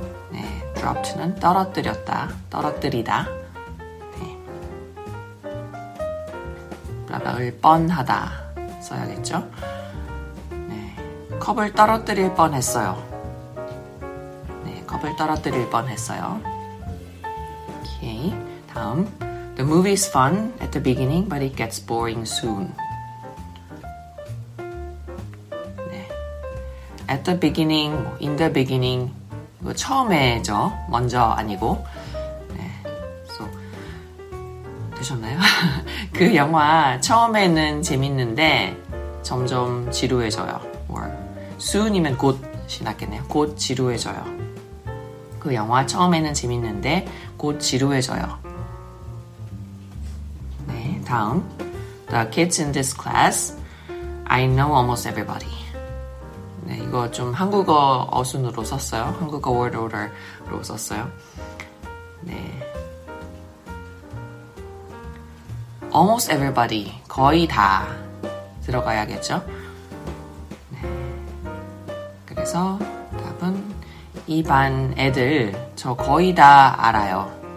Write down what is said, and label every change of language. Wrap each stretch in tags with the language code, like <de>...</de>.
<ko>네, dropped는 떨어뜨렸다, 떨어뜨리다. 네. 블라블라를 뻔하다 써야겠죠? 네, 컵을 떨어뜨릴 뻔했어요. 네, 컵을 떨어뜨릴 뻔했어요. 오케이, 다음.</ko> <en>The movie is fun at the beginning, but it gets boring soon. At the beginning, in the beginning,</en> <ko>이거 처음에죠. 먼저 아니고.</ko> <en>네.</en> <ko>So, 되셨나요? 그 영화 처음에는 재밌는데 점점 지루해져요. Or, soon이면 곧 지났겠네요. 곧 지루해져요. 그 영화 처음에는 재밌는데 곧 지루해져요. 네, 다음.</ko> <en>The kids in this class, I know almost everybody.</en> <ko>네, 이거 좀 한국어 어순으로 썼어요. 한국어 word order로 썼어요. 네,</ko> <en>almost everybody,</en> <ko>거의 다 들어가야겠죠? 네, 그래서 답은 이 반 애들 저 거의 다 알아요.</ko>